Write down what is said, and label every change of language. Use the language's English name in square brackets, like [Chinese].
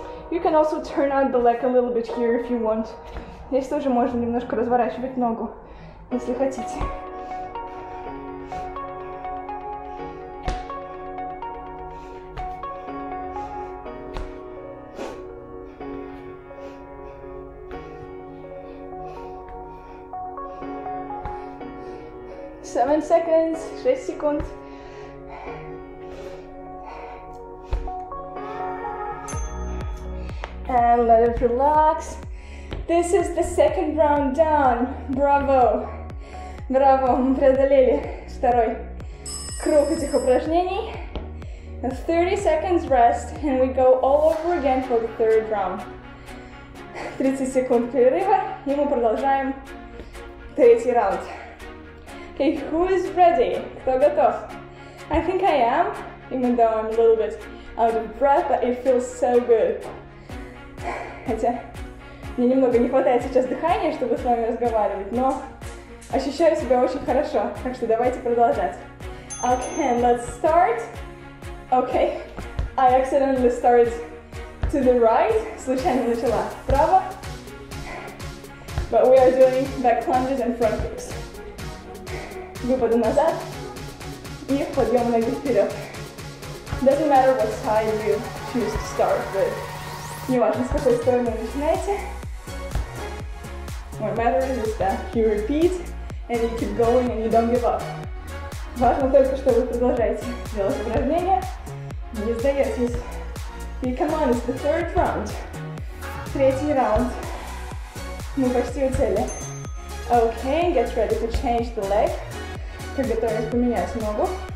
[English] You can also turn out the leg a little bit here if you want. [Russian] Здесь тоже можно немножко разворачивать ногу, если хотите. [English] 7 seconds, 6 seconds. And let it relax. This is the second round done. [Russian] Браво! Браво, мы преодолели второй круг этих упражнений. [English] 30 seconds rest, and we go all over again for the third round. [Russian] 30 секунд перерыва, и мы продолжаем третий раунд. [English] Okay, who is ready? [Russian] Кто готов? [English] I think I am, even though I'm a little bit out of breath, but it feels so good. [Russian] Хотя мне немного не хватает сейчас дыхания, чтобы с вами разговаривать, но ощущаю себя очень хорошо, так что давайте продолжать. [English] Okay, let's start. Okay, I accidentally started to the right. [Russian] Случайно начала вправо. [English] But we are doing back lunges and front kicks. [Russian] Выпады назад и подъем ноги вперед. [English] Doesn't matter what side you choose to start with. [Russian] Неважно, с какой стороны начинаете. [English] What matters is that you repeat and you keep going and you don't give up. [Russian] Важно только, что вы продолжаете делать упражнения. Не сдаетесь. И [English] come on, it's the third round. [Russian] Третий раунд. Мы почти у цели. [English] Okay, get ready to change the leg. [Russian] Приготовились поменять ногу.